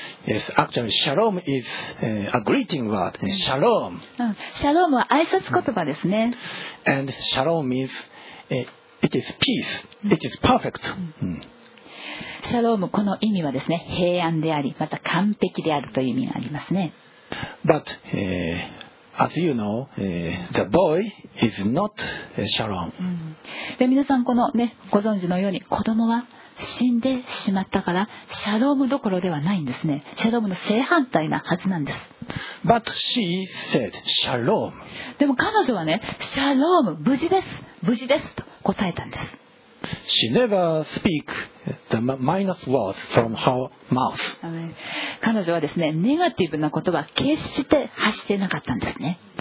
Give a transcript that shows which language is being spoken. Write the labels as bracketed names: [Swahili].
[English] Yes, actually, shalom is a greeting word. Shalom. [Japanese] Shalom は挨拶言葉ですね。 [English] And shalom means it is peace. It is perfect. [Japanese] Shalom, この意味はですね、平安であり、また完璧であるという意味がありますね。 [English] But As you know, the boy is not shalom. [Japanese] で皆さんこの、ね、ご存知のように子供は死んでしまったからシャロームどころではないんですね。シャロームの正反対なはずなんです。 [English] But she said, shalom. [Japanese] でも彼女はね、シャローム、無事です、無事ですと答えたんです。 [English] She never speak the minus words from her mouth. [Japanese] 彼女はですね、ネガティブな言葉決して発してなかったんですね。